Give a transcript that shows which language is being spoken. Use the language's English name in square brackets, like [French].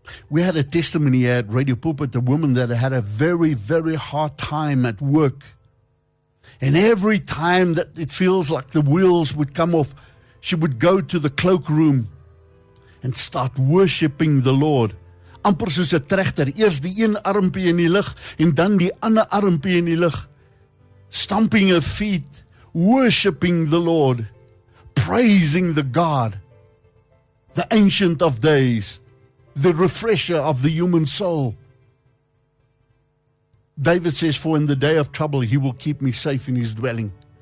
[English] We had a testimony at Radio Pulpit, a woman that had a very, very hard time at work. And every time that it feels like the wheels would come off, she would go to the cloakroom and start worshiping the Lord. [Afrikaans] Amper soos 'n trechter, eers die een armpie in die lug en dan die ander armpie in die lug. [English] Stamping her feet, worshiping the Lord, praising the God, the Ancient of Days, the refresher of the human soul. David says, for in the day of trouble, He will keep me safe in His dwelling.